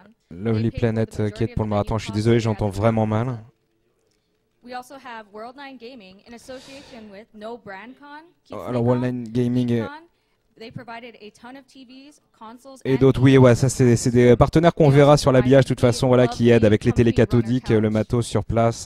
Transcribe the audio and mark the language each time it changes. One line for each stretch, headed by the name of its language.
French: Lovely Planet qui est pour le marathon. Je suis désolé, j'entends vraiment mal.
English: We also have World 9 Gaming in association with No Brand Con.
French: Alors World 9 Gaming
English: TVs, consoles,
French: et d'autres, oui, ouais, ça c'est des partenaires qu'on verra sur l'habillage de toute façon, voilà, qui aident avec les télés cathodiques, le matos sur place.